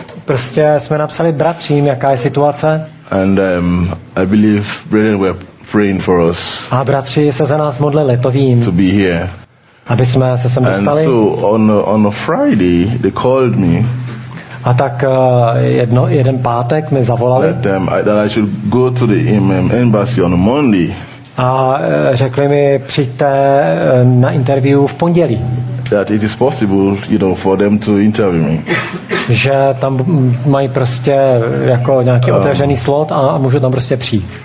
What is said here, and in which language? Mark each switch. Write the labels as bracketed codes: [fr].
[cs] prostě jsme napsali bratřím, jaká je situace. [en] And I believe brethren were praying for us. [cs] A bratři se za nás modlili, to vím. [en] To be here. [cs] Aby jsme se sem dostali. [en] And so on a Friday they called me. [cs] A tak jeden pátek mi zavolali. [en] That I should go to the embassy on Monday. [cs] A řekli mi, přijďte na interview v pondělí. [en] That it is possible, you know, for them to interview me. [cs] Že tam mají prostě jako nějaký otevřený slot a můžu tam prostě přijít.